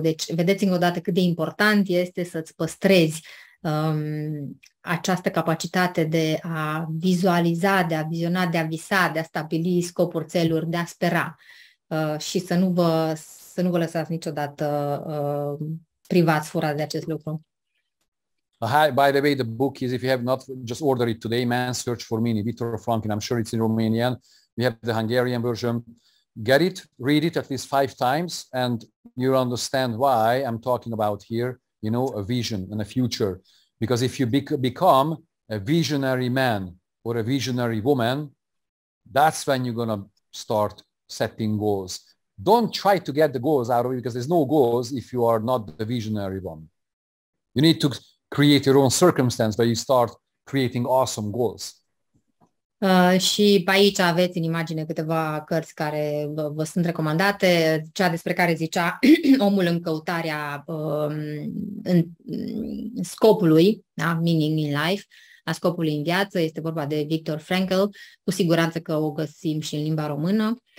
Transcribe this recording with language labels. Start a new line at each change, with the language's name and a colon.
Romanian: Deci vedeți încă o dată cât de important este să-ți păstrezi această capacitate de a vizualiza, de a viziona, de a visa, de a stabili scopuri, țeluri, de a spera și să nu vă lăsați niciodată privați, furați de acest lucru.
English: Hi, by the way, the book is, if you have not, just order it today, Man's Search for Meaning, Viktor Frankl, I'm sure it's in Romanian, we have the Hungarian version, get it, read it at least 5 times and you'll understand why I'm talking about here, you know, a vision and a future. Because if you become a visionary man or a visionary woman, that's when you're going to start setting goals. Don't try to get the goals out of you, because there's no goals if you are not the visionary one. You need to create your own circumstance where you start creating awesome goals.
Romanian: Și pe aici aveți în imagine câteva cărți care vă sunt recomandate, cea despre care zicea omul în căutarea în scopului, da?
English: Meaning in life,
Romanian: a scopului în viață, este vorba de Viktor Frankl, cu siguranță că o găsim și în limba română.